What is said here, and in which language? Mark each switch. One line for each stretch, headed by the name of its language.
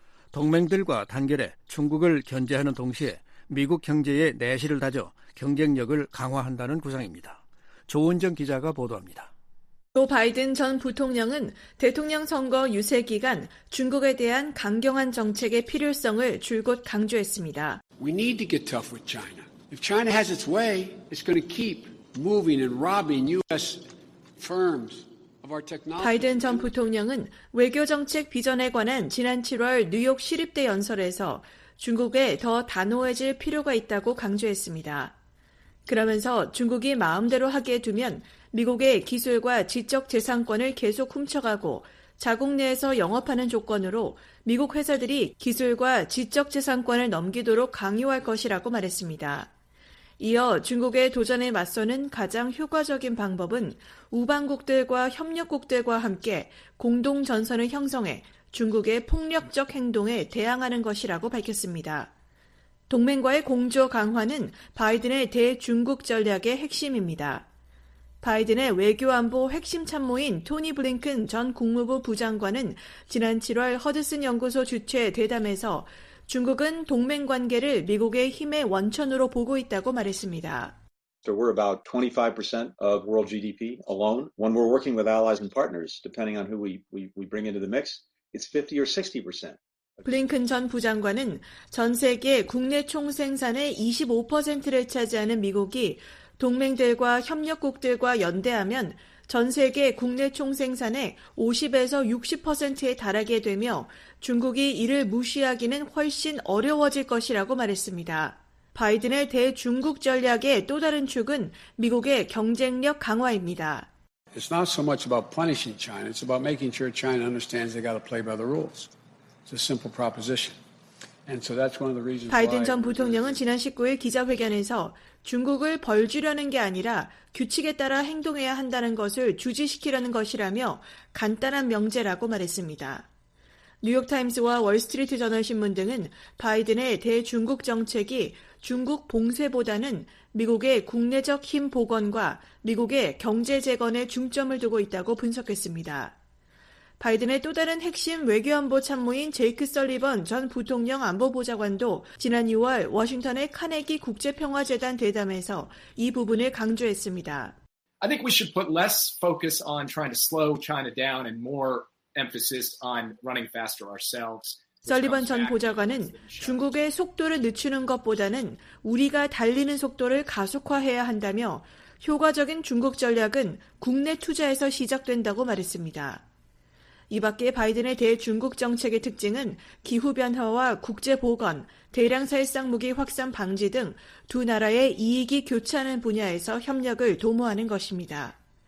Korean: 동맹들과 단결해 중국을 견제하는 동시에 미국 경제에 내실을 다져 경쟁력을 강화한다는 구상입니다. 조은정 기자가 보도합니다. 조 바이든 전 부통령은 대통령 선거 유세 기간 중국에 대한 강경한 정책의 필요성을 줄곧 강조했습니다.
English: We need to get tough with China. If China has its way, it's going to keep moving and robbing U.S. firms.
Korean: 바이든 전 부통령은 외교정책 비전에 관한 지난 7월 뉴욕 시립대 연설에서 중국에 더 단호해질 필요가 있다고 강조했습니다. 그러면서 중국이 마음대로 하게 두면 미국의 기술과 지적 재산권을 계속 훔쳐가고 자국 내에서 영업하는 조건으로 미국 회사들이 기술과 지적 재산권을 넘기도록 강요할 것이라고 말했습니다. 이어 중국의 도전에 맞서는 가장 효과적인 방법은 우방국들과 협력국들과 함께 공동전선을 형성해 중국의 폭력적 행동에 대항하는 것이라고 밝혔습니다. 동맹과의 공조 강화는 바이든의 대중국 전략의 핵심입니다. 바이든의 외교안보 핵심 참모인 토니 블링컨 전 국무부 부장관은 지난 7월 허드슨 연구소 주최 대담에서 중국은 동맹관계를 미국의 힘의 원천으로 보고 있다고 말했습니다.
English: So we're about 25% of world GDP alone. When we're working with allies and partners, depending on who we bring into the mix, it's 50 or 60%.
Korean: 블링컨 전 부장관은 전 세계 국내 총 생산의 25%를 차지하는 미국이 동맹들과 협력국들과 연대하면 전 세계 국내 총 생산의 50에서 60%에 달하게 되며 중국이 이를 무시하기는 훨씬 어려워질 것이라고 말했습니다. 바이든의 대중국 전략의 또 다른 축은 미국의 경쟁력 강화입니다.
English: It's not so much about punishing China. It's about making sure China understands they got to play by the rules. It's a simple proposition. And so that's one of the reasons why
Korean: 바이든 전 부통령은 지난 19일 기자회견에서 중국을 벌주려는 게 아니라 규칙에 따라 행동해야 한다는 것을 주지시키려는 것이라며 간단한 명제라고 말했습니다. 뉴욕타임스와 월스트리트저널신문 등은 바이든의 대중국 정책이 중국 봉쇄보다는 미국의 국내적 힘 복원과 미국의 경제 재건에 중점을 두고 있다고 분석했습니다. 바이든의 또 다른 핵심 외교안보 참모인 제이크 설리번 전 부통령 안보보좌관도 지난 2월 워싱턴의 카네기 국제평화재단 대담에서 이 부분을 강조했습니다.
English: I think we should put less focus on trying to slow China down and more emphasis on running faster ourselves.
Korean: 설리번 전 보좌관은 중국의 속도를 늦추는 것보다는 우리가 달리는 속도를 가속화해야 한다며 효과적인 중국 전략은 국내 투자에서 시작된다고 말했습니다. 이 밖에 바이든의 대중국 정책의 특징은 기후변화와 국제보건, 대량살상 무기 확산 방지 등 두 나라의 이익이 교차하는 분야에서 협력을 도모하는 것입니다.